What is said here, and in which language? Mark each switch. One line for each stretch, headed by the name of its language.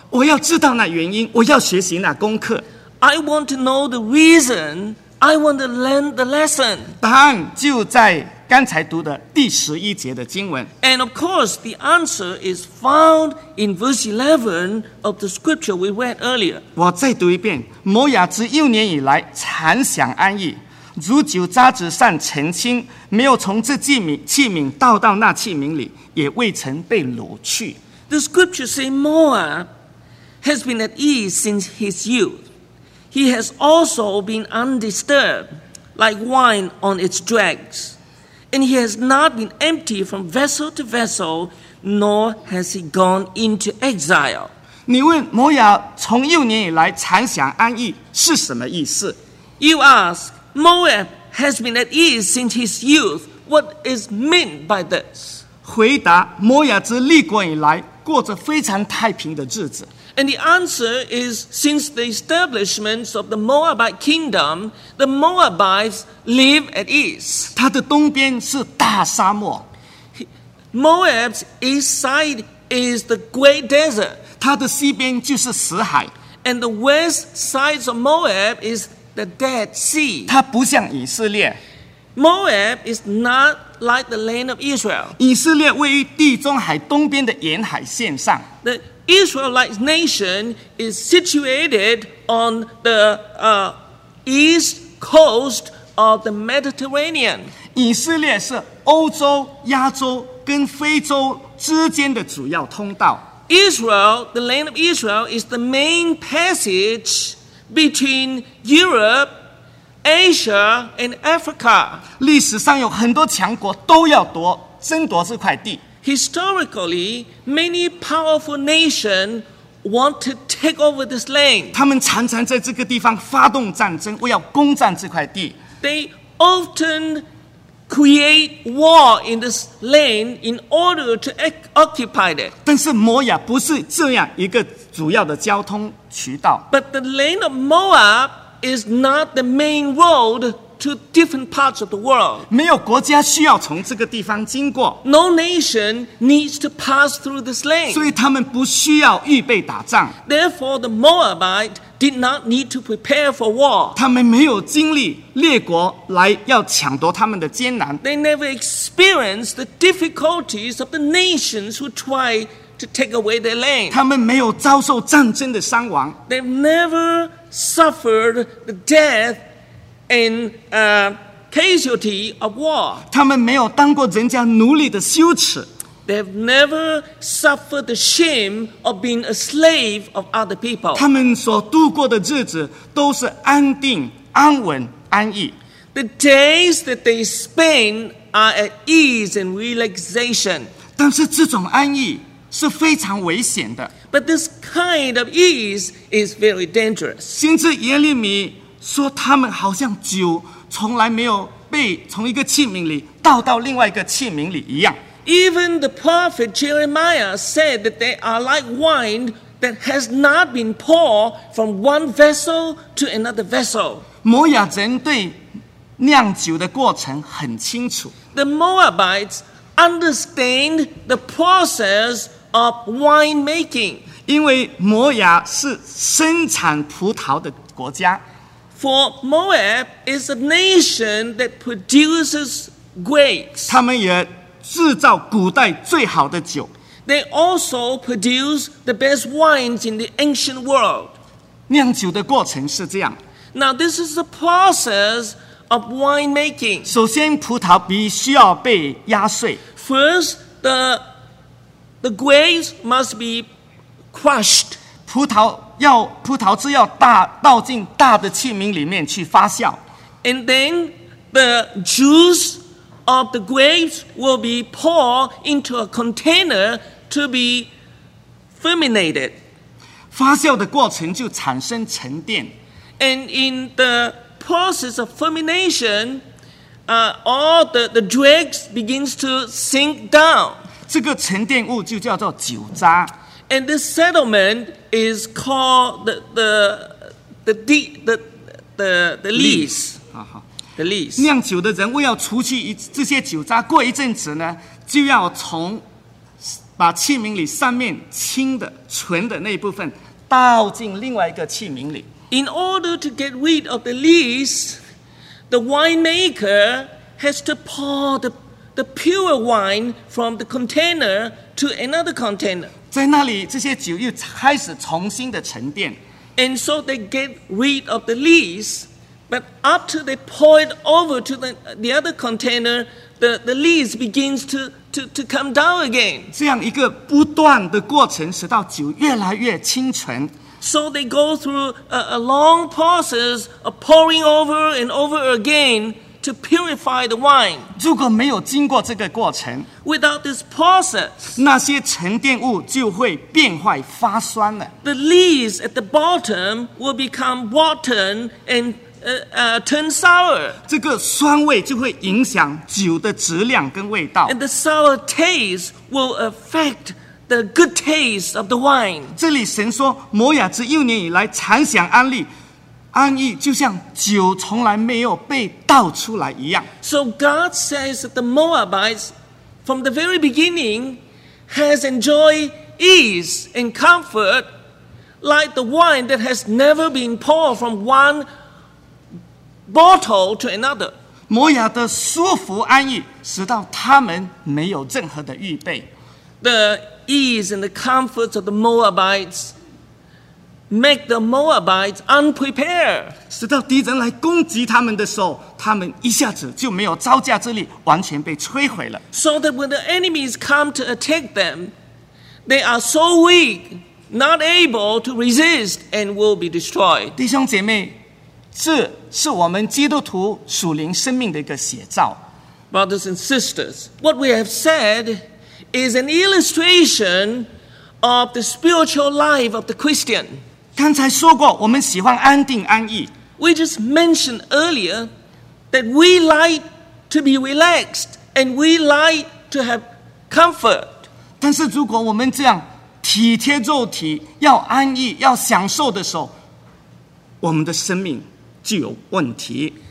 Chinese: 我要知道那原因，我要学习那功课。
English: I want to know the reason. I want to learn the lesson.
Chinese: 答案就在刚才读的第十一节的经文。
English: And of course, the answer is found in verse 11 of the scripture we read earlier.
Chinese: 我再读一遍：摩亚自幼年以来，禅享安逸，如酒渣子上沉清，没有从这器皿倒到那器皿里，也未曾被掳去。
English: The scripture say Moab has been at ease since his youth. He has also been undisturbed, like wine on its dregs. And he has not been empty from vessel to vessel, nor has he gone into exile.
Chinese: 你问摩亚从幼年以来常享安逸是什么意思？
English: You ask, Moab has been at ease since his youth. What is meant by this?
Chinese: 回答，摩亚自立国以来过着非常太平的日子。
English: And the answer is, since the establishment of the Moabite kingdom, the Moabites live at ease.
Chinese: 它的东边是大沙漠。
English: Moab's east side is the great desert.
Chinese: 它的西边就是死海。
English: And the west side of Moab is the Dead Sea.
Chinese: 它不像以色列。
English: Moab is not like the land of Israel.
Chinese: 以色列位于地中海东边的沿海线上。
English: The Israelite nation is situated on the east coast of the Mediterranean.
Chinese: 以色列是欧洲、亚洲跟非洲之间的主要通道。
English: Israel, the land of Israel, is the main passage between Europe, Asia, and Africa.
Chinese: 历史上有很多强国都要争夺这块地。
English: Historically, many powerful nations want to take over this land.
Chinese: 他们常常在这个地方发动战争，为要攻占这块地。
English: They often create war in this land in order to occupy it.
Chinese: 但是摩亚不是这样一个主要的交通渠道。
English: But the land of Moab is not the main road. To different parts of the world.
Chinese: 没有国家需要从这个地方经过。
English: No nation needs to pass through this land.
Chinese: 所以他们不需要预备打仗。
English: Therefore, the Moabite did not need to prepare for war.
Chinese: 他们没有经历列国来要抢夺他们的艰难。
English: They never experienced the difficulties of the nations who try to take away their land.
Chinese: 他们没有遭受战争的伤亡。
English: They never suffered the death and casualty of war.
Chinese: 他们没有当过人家奴隶的羞耻。
English: They have never suffered the shame of being a slave of other people.
Chinese: 他们所度过的日子都是安定、安稳、安逸。
English: The days that they spend are at ease and relaxation.
Chinese: 但是这种安逸是非常危险的。
English: But this kind of ease is very dangerous.
Chinese: 先知耶利米说他们好像酒从来没有被从一个器皿里倒到另外一个器皿里一样。
English: Even the prophet Jeremiah said that they are like wine that has not been poured from one vessel to another vessel.
Chinese: 摩亚人对酿酒的过程很清楚。
English: The Moabites understand the process of wine making.
Chinese: 因为摩亚是生产葡萄的国家。
English: For Moab is a nation that produces grapes.
Chinese: 他们也制造古代最好的酒。
English: They also produce the best wines in the ancient world.
Chinese: 酿酒的过程是这样。
English: Now this is the process of wine making.
Chinese: 首先，葡萄必须要被压碎。
English: First, the grapes must be crushed.
Chinese: 葡萄汁要倒进大的器皿里面去发酵。
English: And then the juice. Of the grapes will be poured into a container to be fermented.
Chinese: 发酵的过程就产生沉淀。
English: And in the process of fermentation, all the dregs begins to sink down.
Chinese: 这个沉淀物就叫做酒渣。
English: And this settlement is called the lees.
Chinese: 酿酒的人为要除去这些酒渣，过一阵子呢，就要从把器皿里上面清的、纯的那一部分倒进另外一个器皿里。
English: In order to get rid of the lees, the winemaker has to pour the pure wine from the container to another container.
Chinese: 在那里，这些酒又开始重新的沉淀。
English: And so they get rid of the lees. But after they pour it over to the other container, the lees begins to come down again.
Chinese: 这样一个不断的过程，使到酒越来越清纯。
English: So they go through a long process of pouring over and over again to purify the wine.
Chinese: 如果没有经过这个过程
English: ，without this process，
Chinese: 那些沉淀物就会变坏发酸了。
English: The lees at the bottom will become rotten and turn sour.
Chinese: 这个酸味就会影响酒的质量跟味道。
English: And the sour taste will affect the good taste of the wine.
Chinese: 这里神说，摩亚自幼年以来常享安逸，就像酒从来没有被倒出来一样。
English: So God says that the Moabites, from the very beginning, has enjoyed ease and comfort, like the wine that has never been poured from one. Bottle to another.
Chinese: 摩亚的舒服安逸，使到他们没有任何的预备。
English: The ease and the comforts of the Moabites make the Moabites unprepared.
Chinese: 使到敌人来攻击他们的时候，他们一下子就没有招架之力，完全被摧毁了。
English: So that when the enemies come to attack them, they are so weak, not able to resist, and will be destroyed.
Chinese: 弟兄姐妹。这是我们基督徒属灵生命的一个写照。
English: Brothers and sisters, what we have said is an illustration of the spiritual life of the Christian.
Chinese: 刚才说过，我们喜欢安定安逸。
English: We just mentioned earlier that we like to be relaxed and we like to have comfort.
Chinese: 但是如果我们这样体贴肉体，要安逸，要享受的时候，我们的生命就有问题。